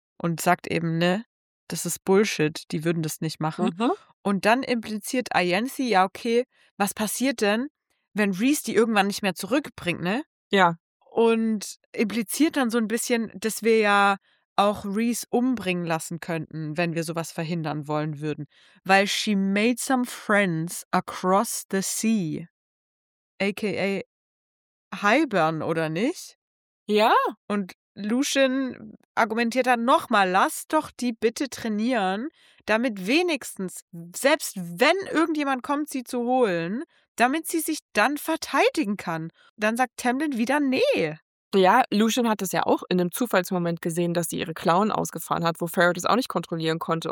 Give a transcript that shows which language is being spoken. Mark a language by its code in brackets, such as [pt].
[de] Und sagt eben, ne, das ist Bullshit, die würden das nicht machen. Und dann impliziert Ianthe, ja, okay, was passiert denn, wenn Rhys die irgendwann nicht mehr zurückbringt, ne? Ja. Und impliziert dann so ein bisschen, dass wir ja auch Rhys umbringen lassen könnten, wenn wir sowas verhindern wollen würden. [en] Weil she made some friends across the sea, aka Highburn, [de] oder nicht? Ja. Und Lucien argumentiert dann nochmal, lass doch die bitte trainieren, damit wenigstens, selbst wenn irgendjemand kommt, sie zu holen, damit sie sich dann verteidigen kann. Dann sagt Tamlin wieder nee. Ja, Lucien hat es ja auch in einem Zufallsmoment gesehen, dass sie ihre Klauen ausgefahren hat, wo Farrah das auch nicht kontrollieren konnte.